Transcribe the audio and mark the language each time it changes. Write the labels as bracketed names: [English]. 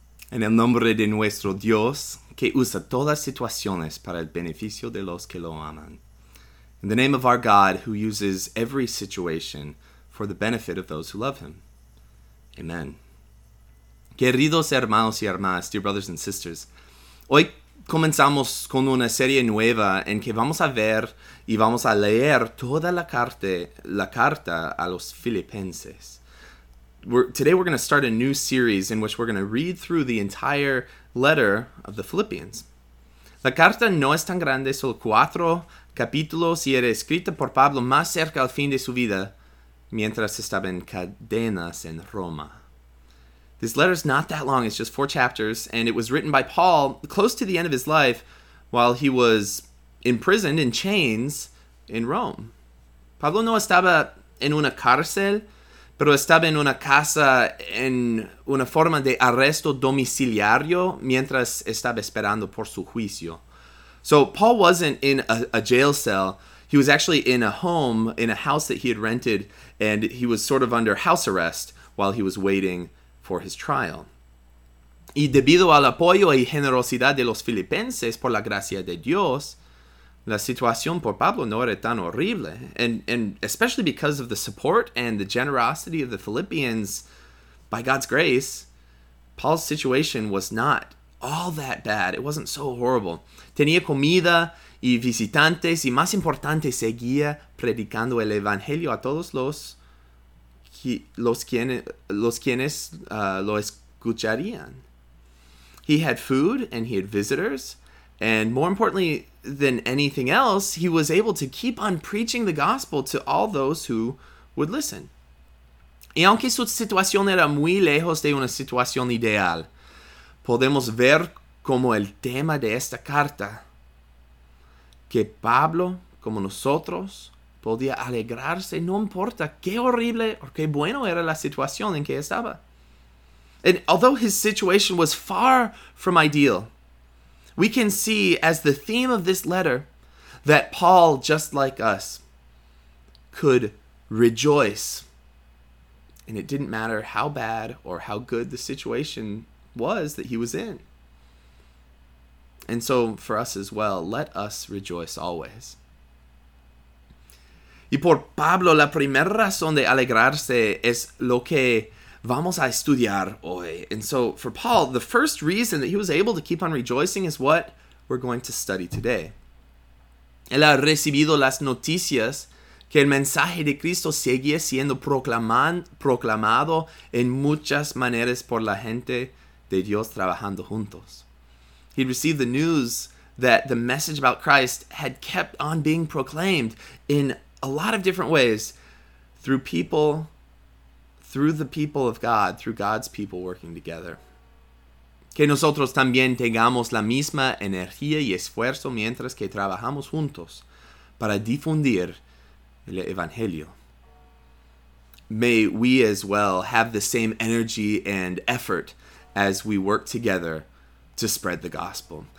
[Spanish] En el nombre de nuestro Dios, que usa todas situaciones para el beneficio de los que lo aman. [English] In the name of our God, who uses every situation for the benefit of those who love him. [Spanish] Amen. Queridos hermanos y hermanas, [English] dear brothers and sisters, [Spanish] hoy comenzamos con una serie nueva en que vamos a ver y vamos a leer toda la carta a los Filipenses. [English] Today we're going to start a new series in which we're going to read through the entire letter of the Philippians. [Spanish] La carta no es tan grande, solo 4 capítulos, y era escrita por Pablo más cerca al fin de su vida, mientras estaba en cadenas en Roma. [English] This letter is not that long, it's just 4 chapters, and it was written by Paul close to the end of his life while he was imprisoned in chains in Rome. [Spanish] Pablo no estaba en una cárcel, pero estaba en una casa en una forma de arresto domiciliario mientras estaba esperando por su juicio. [English] So Paul wasn't in a jail cell. He was actually in a home, in a house that he had rented, and he was sort of under house arrest while he was waiting for his trial. [Spanish] Y debido al apoyo y generosidad de los filipenses por la gracia de Dios, la situación por Pablo no era tan horrible, [English] and especially because of the support and the generosity of the Philippians, by God's grace, Paul's situation was not all that bad. It wasn't so horrible. [Spanish] Tenía comida y visitantes, y más importante, seguía predicando el evangelio a todos los quienes lo escucharían. [English] He had food and he had visitors, and more importantly than anything else, he was able to keep on preaching the gospel to all those who would listen. [Spanish] Y aunque su situación era muy lejos de una situación ideal, podemos ver como el tema de esta carta, que Pablo, como nosotros, podía alegrarse no importa qué horrible o qué bueno era la situación en que estaba. [English] And although his situation was far from ideal, we can see as the theme of this letter that Paul, just like us, could rejoice. And it didn't matter how bad or how good the situation was that he was in. And so for us as well, let us rejoice always. [Spanish] Y por Pablo, la primera razón de alegrarse es lo que vamos a estudiar hoy. [English] And so for Paul, the first reason that he was able to keep on rejoicing is what we're going to study today. [Spanish] Él ha recibido las noticias que el mensaje de Cristo sigue siendo proclamado en muchas maneras por la gente de Dios trabajando juntos. [English] He received the news that the message about Christ had kept on being proclaimed in a lot of different ways through the people of God, through God's people working together. [Spanish] Que nosotros también tengamos la misma energía y esfuerzo mientras que trabajamos juntos para difundir el evangelio. [English] May we as well have the same energy and effort as we work together to spread the gospel.